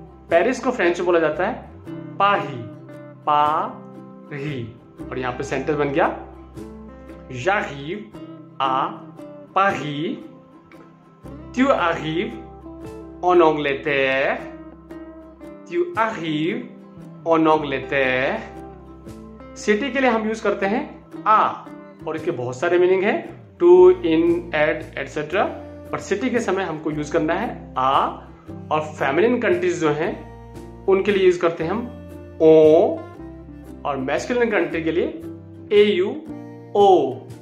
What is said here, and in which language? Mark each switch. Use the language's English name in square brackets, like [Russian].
[Hindi] Paris को French में बोला जाता है पारी, पारी, और यहां पे सेंटेंस बन गया [French] J'arrive à Paris. Tu arrives en Angleterre. Tu arrives en Angleterre. [Hindi] City के लिए हम यूज करते हैं आ, और इसके बहुत सारे मीनिंग हैं, टू, इन, एट, एटसेट्रा, पर सिटी के समय हमको यूज करना है आ, और फेमिनिन कंट्रीज जो हैं उनके लिए यूज करते हैं हम ओ, और मैस्कुलिन कंट्री के लिए ए यू ओ.